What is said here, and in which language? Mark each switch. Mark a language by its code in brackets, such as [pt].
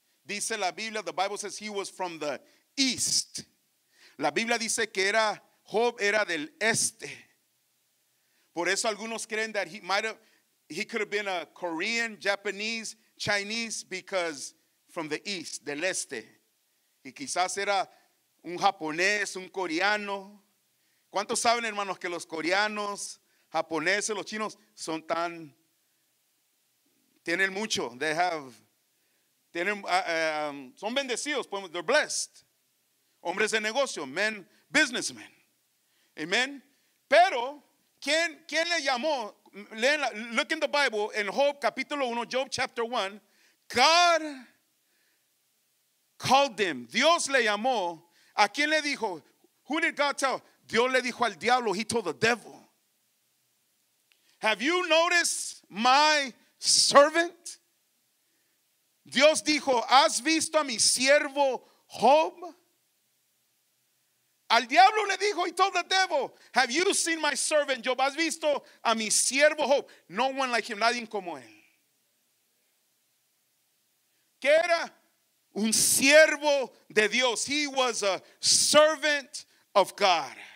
[es] Dice la Biblia, [en] the Bible says he was from the east. [es] La Biblia dice que era, Job era del este. Por eso algunos creen [en] that he could have been a Korean, Japanese, Chinese, because from the east, [es] del este. Y quizás era un japonés, un coreano. ¿Cuántos saben, hermanos, que los coreanos, japoneses, los chinos son tan Tienen mucho. [en] They have. [es] Tienen, son bendecidos. [en] They're blessed. [es] Hombres de negocio. [en] Men, businessmen. [es] Amen. Pero, ¿quién le llamó? [en] Look in the Bible, in Job, capítulo 1, Job chapter 1. God called them. [es] Dios le llamó. ¿A quién le dijo? [en] Who did God tell? [es] Dios le dijo al diablo. [en] He told the devil. Have you noticed my servant? [es] Dios dijo, ¿has visto a mi siervo Job? Al diablo le dijo, [en] he told the devil, have you seen my servant Job? [es] ¿Has visto a mi siervo Job? [en] No one like him, [es] nadie como él. ¿Qué era? Un siervo de Dios. [en] He was a servant of God.